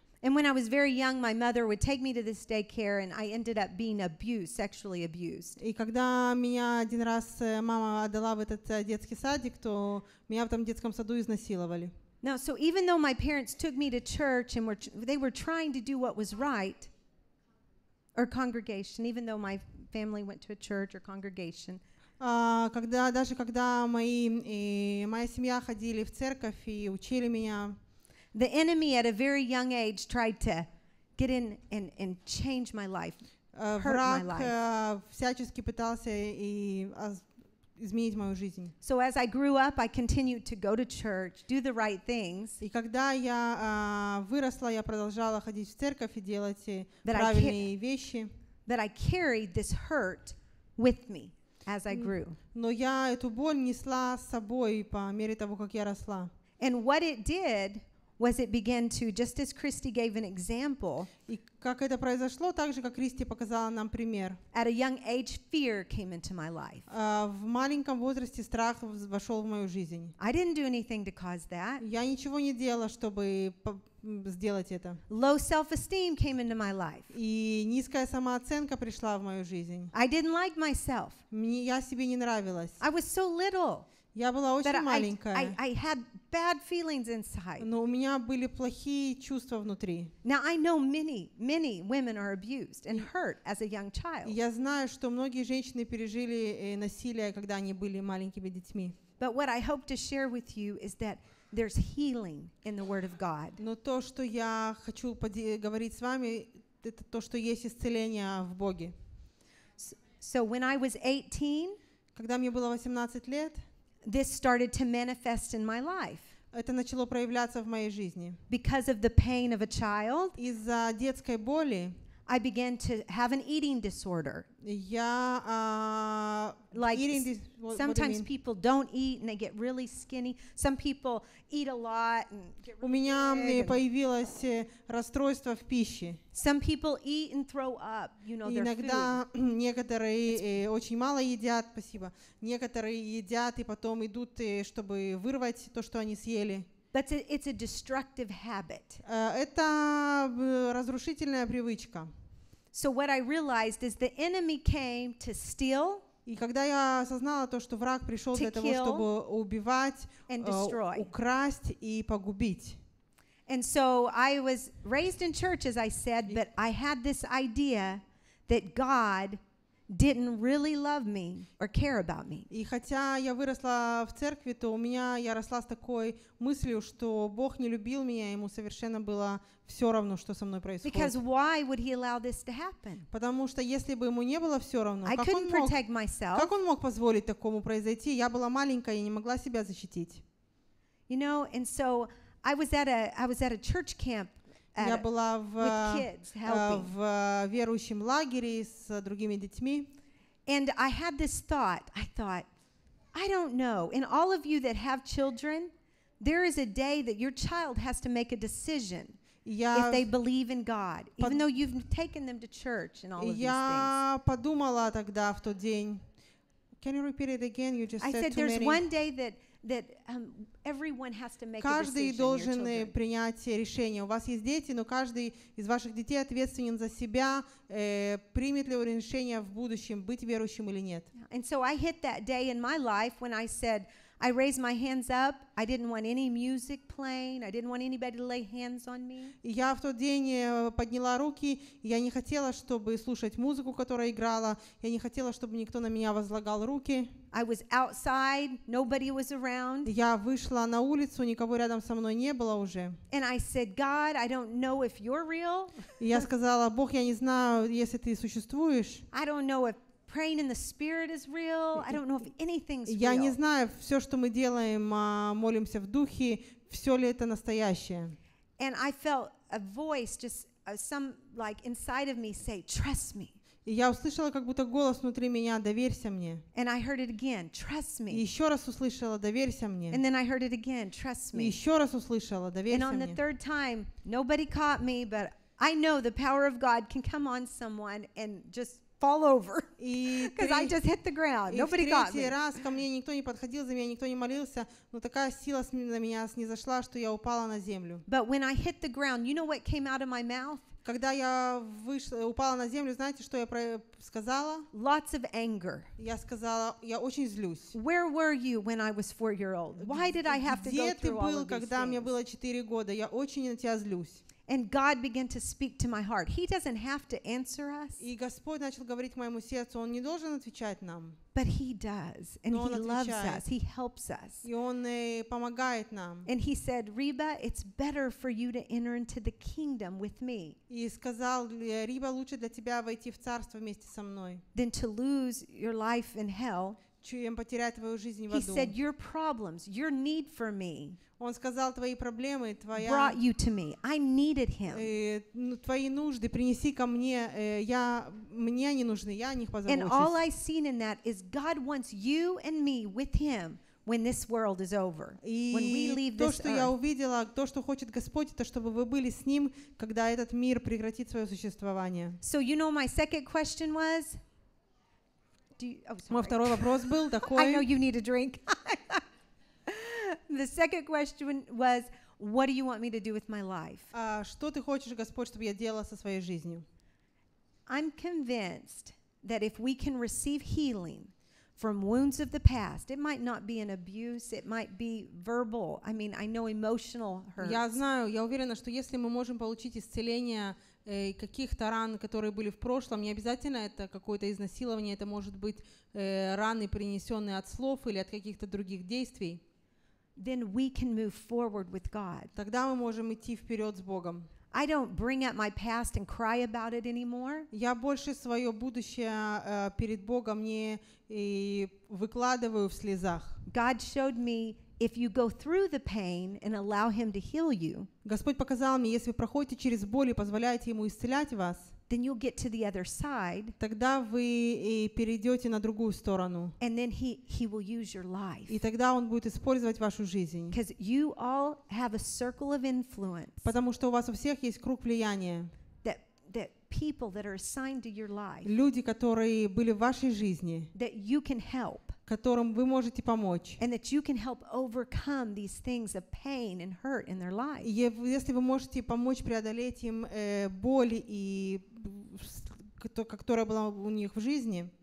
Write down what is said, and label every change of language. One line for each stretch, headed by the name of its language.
English: And when I was very young, my mother would take me to this daycare, and I ended up being abused, sexually abused.
Russian: И когда меня один раз мама отдала в этот детский садик, то меня в этом детском саду изнасиловали.
English: Now, so even though my parents took me to church and they were trying to do what was right, or congregation, even though my family went to a church or congregation.
Russian: Когда моя семья ходили в церковь и учили меня.
English: The enemy at a very young age tried to get in and change my life, hurt
Russian: враг,
English: my life.
Russian: Всячески пытался и изменить мою жизнь.
English: So as I grew up, I continued to go to church, do the right things.
Russian: И когда я выросла, я продолжала ходить в церковь и делать правильные вещи.
English: That I carried this hurt with me. as I grew.
Russian: Но я эту боль несла с собой по мере того, как я росла.
English: And what it did was it began to, just as Christy gave an example.
Russian: И как это произошло, так же, как Кристи показала нам пример.
English: At a young age, fear came into my life.
Russian: В маленьком возрасте страх вошел в мою жизнь.
English: I didn't do anything to cause that.
Russian: Я ничего не делала, чтобы сделать это.
English: Low self-esteem came into my life.
Russian: И низкая самооценка пришла в мою жизнь.
English: I didn't like myself.
Russian: Мне я себе не нравилась.
English: I was so little.
Russian: Я была очень маленькая.
English: I had bad feelings inside.
Russian: Но у меня были плохие чувства внутри.
English: Now I know many, many women are abused and hurt as a young child.
Russian: Я знаю, что многие женщины пережили насилие, когда они были маленькими детьми.
English: But what I hope to share with you is that there's healing in the Word of God.
Russian: Но то, что я хочу говорить с вами, это то, что есть исцеление в Боге.
English: So when I was 18,
Russian: когда мне было 18 лет,
English: this started to manifest in my life.
Russian: Это начало проявляться в моей жизни.
English: Because of the pain of a child,
Russian: из-за детской боли,
English: I began to have an eating disorder.
Russian: Я
English: like eating sometimes people don't eat and they get really skinny. Some people eat a lot and get really
Russian: У меня
English: big
Russian: появилось расстройство в пище.
English: Some people eat and throw up, you know,
Russian: иногда
English: their food.
Russian: Иногда некоторые очень мало едят, спасибо. Некоторые едят и потом идут, чтобы вырвать то, что они съели.
English: But it's a destructive habit.
Russian: Это разрушительная привычка.
English: So what I realized is the enemy came to steal.
Russian: И когда я осознала то, что враг пришел для того, чтобы убивать, украсть и погубить.
English: And so I was raised in church, as I said, but I had this idea that God didn't really love me or care about me.
Russian: И хотя я выросла в церкви, то у меня я росла с такой мыслью, что Бог не любил меня, ему совершенно было все равно, что со мной происходит.
English: Because why would he allow this to happen?
Russian: Потому что если бы ему не было все равно,
English: I couldn't protect myself.
Russian: Как он мог позволить такому произойти? Я была маленькая и не могла себя защитить.
English: You know, and so I was at a church camp.
Russian: Я была в верующем лагере с другими детьми.
English: And I had this thought. I thought, I don't know. In all of you that have children, there is a day that your child has to make a decision if they believe in God, even though you've taken them to church and all of these things.
Russian: Я подумала тогда в тот день.
English: Can you repeat it again? You just said too many. I said, there's one day that everyone has to make
Russian: каждый
English: a decision,
Russian: должен
English: your children.
Russian: Принять решение. У вас есть дети, но каждый из ваших детей ответственен за себя, примет ли он решение в будущем быть верующим или нет.
English: And so I hit that day in my life when I said, I raised my hands up. I didn't want any music playing. I didn't want anybody to lay hands on me.
Russian: Я в тот день подняла руки. Я не хотела, чтобы слушать музыку, которая играла. Я не хотела, чтобы никто на меня возлагал руки.
English: I was outside. Нобody was around.
Russian: Я вышла на улицу. Никого рядом со мной не было уже.
English: And I said, God, I don't know if you're real.
Russian: Я сказала, Бог, я не знаю, если ты существуешь.
English: I don't know if praying in the spirit is real. I don't know if anything's real.
Russian: Я не знаю, все, что мы делаем, молимся в духе, все ли это настоящее.
English: And I felt a voice just some like inside of me say, trust me.
Russian: И я услышала как будто голос внутри меня, доверься мне.
English: And I heard it again, trust me.
Russian: И еще раз услышала, доверься мне.
English: And then I heard it again, trust me.
Russian: И еще раз услышала, доверься мне.
English: And on the third time, nobody caught me, but I know the power of God can come on someone and just fall over, because I just hit the ground. Nobody got me.
Russian: И в третий раз ко мне никто не подходил, за меня никто не молился, но такая сила на меня снизошла, что я упала на землю.
English: But when I hit the ground, you know what came out of my mouth?
Russian: Когда я упала на землю, знаете, что я сказала?
English: Lots of anger.
Russian: Я сказала, я очень злюсь.
English: Where were you when I was 4-year-old? Why did I have to go through all of these things?
Russian: Где ты был, когда мне было 4 года? Я очень на тебя злюсь.
English: And God began to speak to my heart. He doesn't have to answer us.
Russian: И Господь начал говорить к моему сердцу. Он не должен отвечать нам.
English: But He does, and He loves us. He helps us.
Russian: И Он помогает нам.
English: And He said, Reba, it's better for you to enter into the kingdom with me.
Russian: И сказал Риба, лучше для тебя войти в царство вместе со мной.
English: Than to lose your life in hell.
Russian: чем потерять твою жизнь в аду.
English: He said, your problems, your need for me.
Russian: Он сказал, твои проблемы, твоя.
English: Brought you to me. I needed him.
Russian: Твои нужды принеси ко мне. Я мне они нужны. Я о них позабочусь.
English: And all I seen in that is God wants you and me with him. When this world is over, when we leave this earth.
Russian: То, что я увидела, то, что хочет Господь, это чтобы вы были с Ним, когда этот мир прекратит свое существование.
English: So you know, my second question was.
Russian: Мой второй вопрос был такой.
English: I know you need a drink. The second question was, what do you want me to do with my life?
Russian: Что ты хочешь, Господь, чтобы я делала со своей жизнью?
English: I'm convinced that if we can receive healing. From wounds of the past. It might not be an abuse, it might be verbal. I mean, I know emotional hurts.
Russian: Я знаю, я уверена, что если мы можем получить исцеление каких-то ран, которые были в прошлом, не обязательно это какое-то изнасилование, это может быть раны, принесенные от слов или от каких-то других действий.
English: Then we can move forward with God.
Russian: Тогда мы можем идти вперед с Богом.
English: I don't bring up my past and cry about it anymore.
Russian: Я больше свое будущее перед Богом не выкладываю в слезах.
English: God showed me if you go through the pain and allow Him to heal you.
Russian: Господь показал мне, если вы проходите через боль и позволяете Ему исцелять вас.
English: Then you'll get to the other side.
Russian: Тогда вы перейдете на другую сторону.
English: And then he will use your life.
Russian: И тогда он будет использовать вашу жизнь.
English: Because you all have a circle of influence.
Russian: Потому что у вас у всех есть круг влияния.
English: That people that are assigned to your life.
Russian: Люди, которые были в вашей жизни.
English: That you can help.
Russian: Которым вы можете помочь.
English: And that you can help overcome these things of pain and hurt in their life.
Russian: Если вы можете помочь преодолеть им боль и которая была у них в жизни.